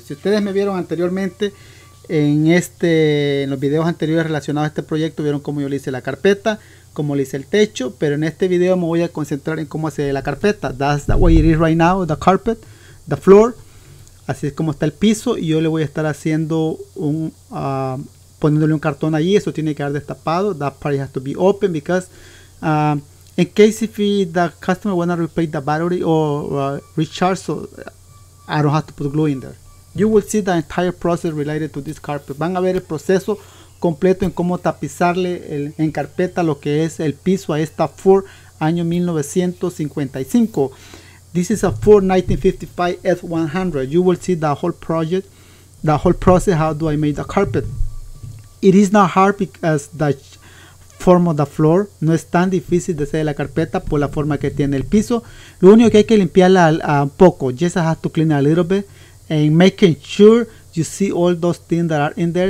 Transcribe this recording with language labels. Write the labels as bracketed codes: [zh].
[es] Si ustedes me vieron anteriormente en este, en los videos anteriores relacionados a este proyecto, vieron cómo yo le hice la carpeta, cómo le hice el techo. Pero en este video me voy a concentrar en cómo hacer la carpeta. [en] That's the way it is right now, the carpet, the floor. [es] Así es como está el piso. Y yo le voy a estar haciendo un, poniéndole un cartón allí. Eso tiene que estar destapado. [en] That part has to be open because, in case if the customer wanna replace the battery or recharge, so I don't have to put glue in there. You will see the entire process related to this carpet. [es] Van a ver el proceso completo en cómo tapizarle el, en carpeta lo que es el piso a esta Ford año 1955. [en] This is a Ford 1955 F100. You will see the whole project, the whole process, how do I make the carpet. It is not hard because the form of the floor. [es] No es tan difícil de hacer la carpeta por la forma que tiene el piso. Lo único que hay que limpiarla un poco. [en] Just I have to clean it a little bit. And making sure you see all those things that are in there.